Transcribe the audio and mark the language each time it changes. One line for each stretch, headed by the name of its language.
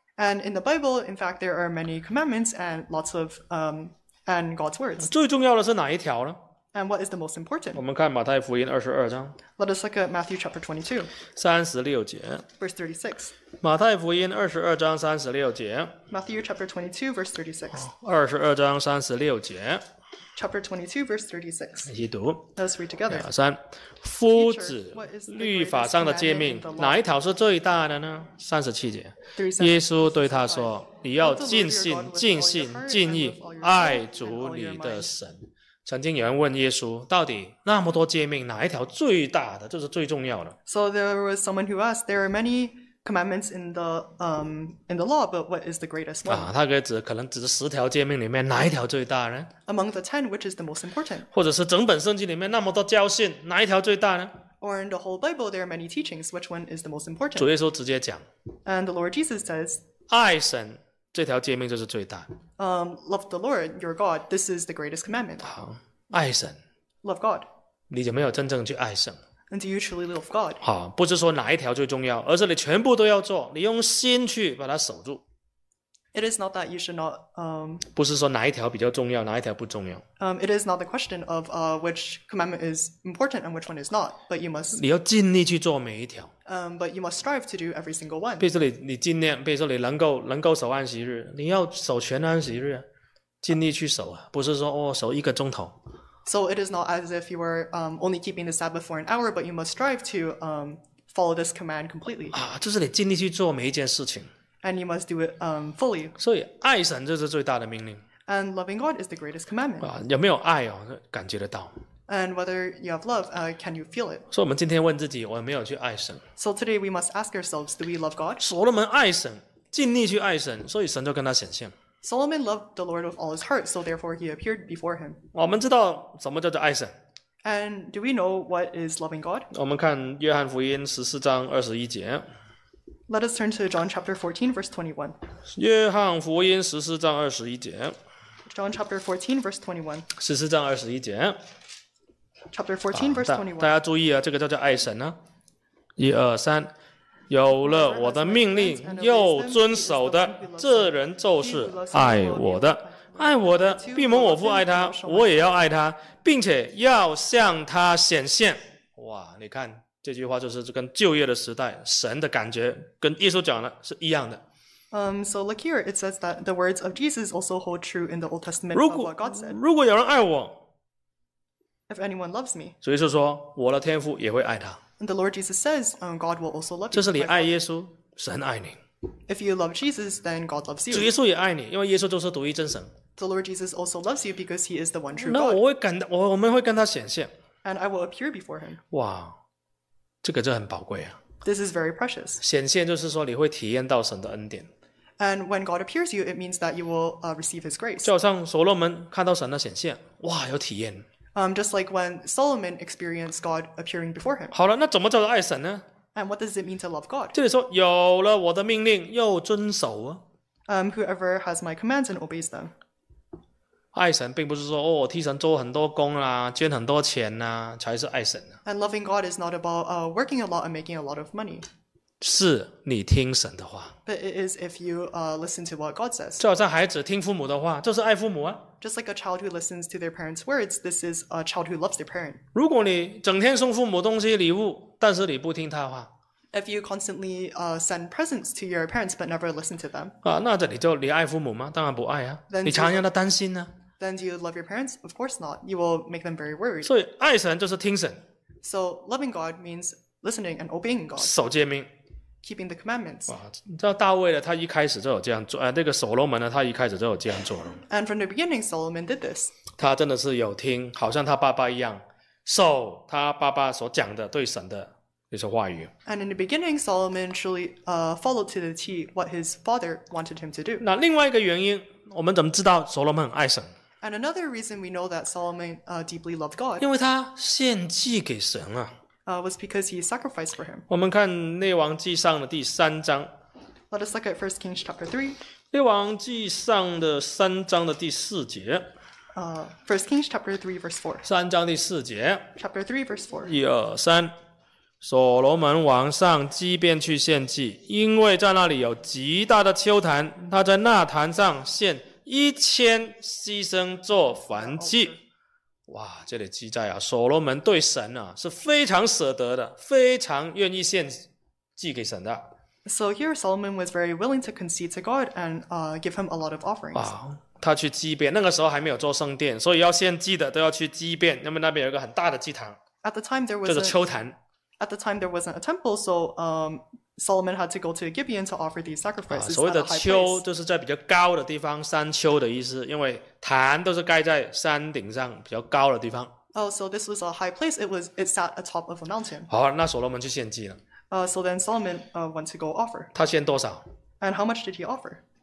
English: And in the Bible, in fact, there are many commandments and lots of and God's words.
Chinese: 最重要的是哪一条呢？
English: And what is the most important?
Chinese: 我们看马太福音二十二章。
English: Let us look at Matthew chapter 22.
Chinese: 三十六节。
English: Verse 36.
Chinese: 马太福音二十二章三十六节。
English: Matthew chapter 22, verse 36.
Chinese: 二十二章三十六节。
English: Chapter 22, verse 36.
Chinese: 一起读。
English: Let us read together.
Chinese: 三，夫子，律法上的诫命，哪一条是最大的呢？三十七节。耶稣对他说：“你要尽心、尽性、尽意爱主你的神。” 曾经有人问耶稣：“到底那么多诫命，哪一条最大的，就是最重要的？”
English: So there was someone who asked, "There are many commandments in the law, but what is the greatest one?"
Chinese: 他可能指十条诫命里面哪一条最大呢？
English: Among the ten, which is the most important?
Chinese: 或者是整本圣经里面那么多教训，哪一条最大呢？
English: Or in the whole Bible, there are many teachings. Which one is the most important?
Chinese: 主耶稣直接讲。
English: And the Lord Jesus says,
Chinese: 爱神这条诫命就是最大。
English: Love the Lord your God. This is the greatest commandment.
Chinese: 爱神。
English: Love God.
Chinese: 你有没有真正去爱神？
English: And do you truly love God?
Chinese: 不是说哪一条最重要，而是你全部都要做，你用心去把它守住。
English: It is not that you should not.
Chinese: 不是说哪一条比较重要，哪一条不重要。
English: It is not the question of which commandment is important and which one is not, but you must.
Chinese: 你要尽力去做每一条。
English: But you must strive to do every single one.
Chinese: 比如说你尽量，比如说你能够守安息日，你要守全安息日，尽力去守啊，不是说守一个钟头。
English: So it is not as if you were only keeping the Sabbath for an hour, but you must strive to follow this command completely.
Chinese: 就是你尽力去做每一件事情。
English: And you must do it fully.
Chinese: 所以爱神就是最大的命令。
English: And loving God is the greatest commandment.
Chinese: 有没有爱哦？感觉得到。
English: And whether you have love, can you feel it?
Chinese: 所以我们今天问自己，我没有去爱神。
English: So today we must ask ourselves, do we love God?
Chinese: 所罗门爱神，尽力去爱神，所以神就跟他显现。
English: Solomon loved the Lord with all his heart, so therefore he appeared before him.
Chinese: 我们知道什么叫做爱神。
English: And do we know what is loving God?
Chinese: 我们看约翰福音十四章二十一节。
English: Let us turn to John chapter 14, verse 21.
Chinese: 约翰福音十四章二十一节。
English: John chapter 14, verse 21.
Chinese: 十四章二十一节。
English: Chapter 14, verse 21.
Chinese: 大家注意啊，这个叫做爱神啊。一二三。有了我的命令又遵守的，这人就是爱我的。爱我的必蒙我父爱他，我也要爱他，并且要向他显现。哇，你看这句话就是跟旧约的时代神的感觉跟耶稣讲的是一样的。
English: So look here, it says that the words of Jesus also hold true in the Old Testament of what God said.
Chinese: 如果有人爱我，
English: If anyone loves me,
Chinese: 所以是说我的天父也会爱他。
English: And the Lord Jesus says, God will also love you.
Chinese: 就是你爱耶稣，神爱你。
English: If you love Jesus, then God loves you.
Chinese: 主耶稣也爱你，因为耶稣就是独一真神。
English: The Lord Jesus also loves you because he is the one true God.
Chinese: 那我们会跟他显现。
English: And I will appear before him.
Chinese: 哇，这个就很宝贵啊。
English: This is very precious.
Chinese: 显现就是说你会体验到神的恩典。
English: And when God appears to you, it means that you will receive his grace.
Chinese: 就好像所罗门看到神的显现，哇，有体验。
English: Just like when Solomon experienced God appearing before him.
Chinese: 好了，那怎么叫做爱神呢？
English: And what does it mean to love God?
Chinese: 这里说有了我的命令又遵守啊。
English: Whoever has my commands and obeys them.
Chinese: 爱神并不是说哦，替神做很多工啊，捐很多钱啊，才是爱神啊。
English: And loving God is not about working a lot and making a lot of money.
Chinese: 是你听神的话。
English: But it is if you listen to what God says.
Chinese: 就好像孩子听父母的话，就是爱父母啊。
English: Just like a child who listens to their parents' words, this is a child who loves their parent.
Chinese: 如果你整天送父母东西礼物，但是你不听他的话。
English: If you constantly send presents to your parents but never listen to them.
Chinese: 啊，那这里就你爱父母吗？当然不爱啊。你常让他担心呢。
English: Then do you love your parents? Of course not. You will make them very worried.
Chinese: 所以爱神就是听神。
English: So loving God means listening and obeying God.
Chinese: 守诫命。
English: Keeping the commandments.
Chinese: 哇，你知道大卫呢？他一开始就有这样做。那个所罗门呢？他一开始就有这样做。
English: And from the beginning, Solomon did this.
Chinese: 他真的是有听，好像他爸爸一样，受他爸爸所讲的对神的那些话语。
English: And in the beginning, Solomon truly followed to the T what his father wanted him to do.
Chinese: 那另外一个原因，我们怎么知道所罗门爱神？
English: And another reason we know that Solomon deeply loved God.
Chinese: 因为他献祭给神啊。
English: Was because he sacrificed for him.
Chinese: 我们看列王记上的第三章。
English: Let us look at 1 Kings chapter 3.
Chinese: 列王记上的三章的第四节。
English: 1 Kings chapter 3 verse 4.
Chinese: 三章第四节。
English: Chapter 3 verse 4.
Chinese: 一二三，所罗门王上基遍去献祭，因为在那里有极大的秋坛，他在那坛上献1000牺牲做燔祭。哇，这里记载啊，所罗门对神啊是非常舍得的，非常愿意献祭给神的。
English: So here Solomon was very willing to concede to God and give him a lot of offerings.
Chinese: 啊，他去基遍，那个时候还没有做圣殿，所以要献祭的都要去基遍，那么那边有一个很大的祭坛。
English: At the time there was
Chinese: 就是秋坛。
English: At the time there wasn't a temple, so Solomon had to go to Gibeon to offer these sacrifices.
Chinese: 所谓的丘就是在比较高的地方，山丘的意思，因为坛都是盖在山顶上比较高的地方。
English: Oh, so this was a high place. It sat atop of a mountain.
Chinese: 好，那所罗门去献祭了。
English: So then Solomon went to go offer.
Chinese: 他献多少
English: ？And how much did he offer?